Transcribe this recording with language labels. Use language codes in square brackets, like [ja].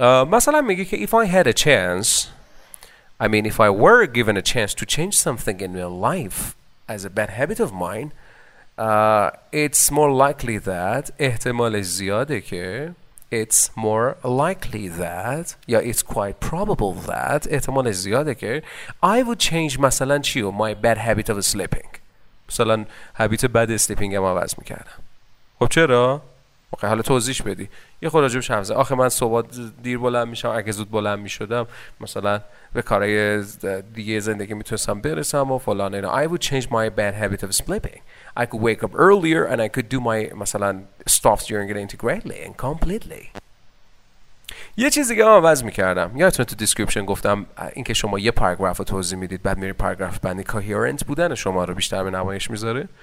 [fa] مثلا میگی که [en] if I had a chance، I mean if I were given a chance to change something in my life as a bad habit of mine، it's more likely that، [fa] احتمال زیاده که، [en] it's more likely that یا it's quite probable that، احتمال زیاده که I would change [fa] مثلا چیو [en] my bad habit of sleeping، مثلا habit بد sleeping [fa] هم عوض میکردم. خب چرا؟ اوکی، حالا توضیح بدی یه خود راجبش حرف بزن. آخه من صبح دیر بلند میشم، اگه زود بلند میشدم مثلا به کارهای دیگه زندگی میتونستم برسم و فلان اینا. [en] I would change my bad habit of sleeping. I could wake up earlier and I could do my مثلا stuff during it integrally and completely. [fa] یه چیزی که من عوض میکردم، یادتون تو دیسکریپشن گفتم این که شما یه پاراگراف رو توضیح میدید بعد میری پاراگراف بعدی کوهیرنت بودن شما رو بیشتر به نمایش میذاره.